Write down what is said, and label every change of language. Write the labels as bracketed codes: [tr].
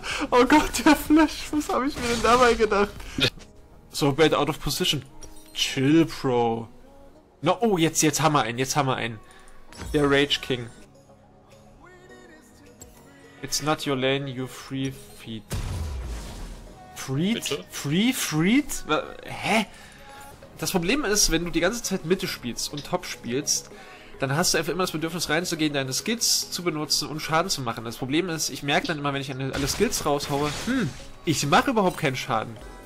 [de] Oh Gott, der Flash, was habe ich mir denn dabei gedacht? [en] So, bad out of position. Chill, Bro. No, oh, [de] jetzt haben wir einen, jetzt haben wir einen. Der Rage King. [en] It's not your lane, you free feet. Freed? Free, freed? Hä? [de] Das Problem ist, wenn du die ganze Zeit Mitte spielst und Top spielst, dann hast du einfach immer das Bedürfnis reinzugehen, deine Skills zu benutzen und Schaden zu machen. Das Problem ist, ich merke dann immer, wenn ich alle Skills raushaue, ich mache überhaupt keinen Schaden.